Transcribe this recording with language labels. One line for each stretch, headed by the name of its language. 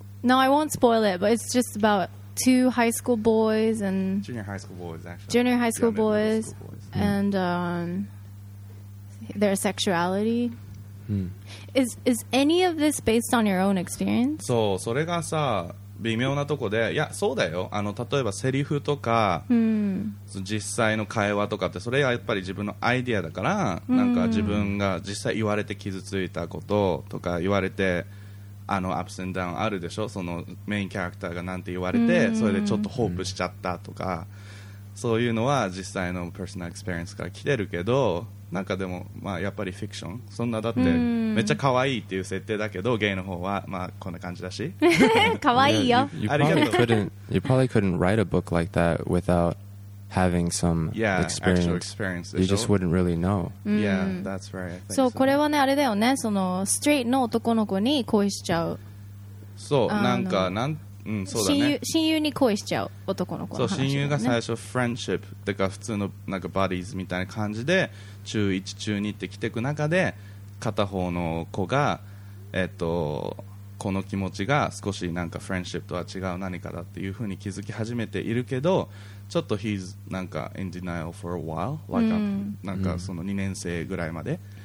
English: No, I won't spoil it, but it's just about two high school boys and junior high school boys actually. Junior high school boys and their sexualityIs any of this based on your own experience?
Japanese: そう、それがさ微妙なとこで、いやそうだよ、あの例えばセリフとか、実際の会話とかってそれはやっぱり自分のアイディアだから、なんか自分が実際言われて傷ついたこととか、言われてあのアップスンダウンあるでしょ、そのメインキャラクターがなんて言われて、それでちょっとホープしちゃったとか、そういうのは実際のパーソナルエクスペリエンスから来てるけど、なんかでも、まあ、やっぱりフィクション、そんなだってめっちゃ可愛いっていう設定だけど、ゲイの方はまあこんな感じだし可愛いよ。
English: You probably couldn't write a book like that without having some yeah, experience. Actual experience. You just wouldn't really know. Yeah, that's right.
Japanese: そう、これはね、あれだよね、そのストレートの男の子に恋しちゃう、そう、なんかなんうん、そうだね、親友に恋しちゃう男の子の話だよね。そう、親友が最初フレンドシップってか普通のなんかバディーズみたいな感じで中1中2って来てく中で、片方の子がこの気持ちが少しなんかフレンドシップとは違う何かだっていう風に気づき始めているけど、ちょっと
English: he's
Japanese: なんか
English: in denial for a while、
Japanese: like、なんかその2年生ぐらいまで